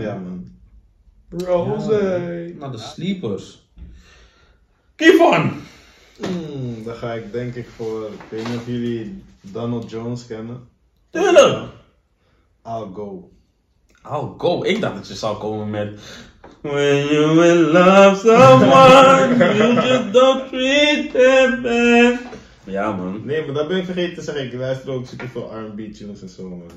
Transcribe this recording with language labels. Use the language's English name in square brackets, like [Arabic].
[Dutch] Ja, man. Rose. Ja, naar de sleepers. Kievan! Dan ga ik denk ik voor... Ik weet niet of jullie Donald Jones kennen. Tuurlijk! [English] I'll go? [Dutch] Ik dacht dat je zou komen met... [English] When you will love someone, you just don't treat them bad. [Dutch] Ja man. Nee, maar dat ben ik vergeten te zeggen. Ik luister ook super veel R&B tunes en zo man.